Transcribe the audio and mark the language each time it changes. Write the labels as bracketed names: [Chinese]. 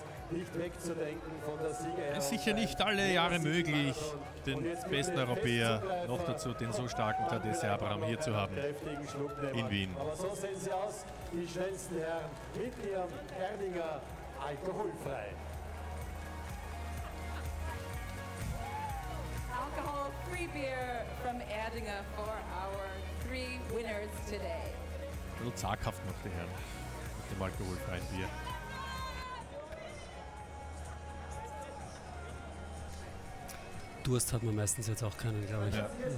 [German] Nicht wegzudenken von der Siegerehrung. Ist sicher nicht alle Jahre möglich, den besten Europäer, noch dazu den so starken Tadesse Abraham hier zu haben, in Wien. Aber so sehen sie aus, die schnellsten Herren mit ihrem Erdinger alkoholfrei. [English] Alkohol-free beer from Erdinger for our 3 winners today. [German] Ein bisschen zaghaft noch die Herren mit dem alkoholfreien Bier. Durst hat man meistens jetzt auch keinen, glaube ich. Ja.